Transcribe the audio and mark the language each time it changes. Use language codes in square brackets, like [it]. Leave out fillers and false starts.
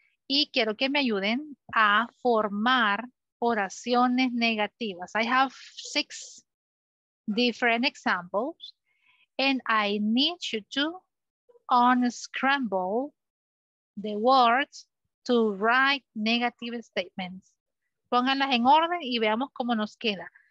[es] Y quiero que me ayuden a formar oraciones negativas. [en] I have 6 different examples and I need you to unscramble the words to write negative statements. [es] Pónganlas en orden y veamos cómo nos queda.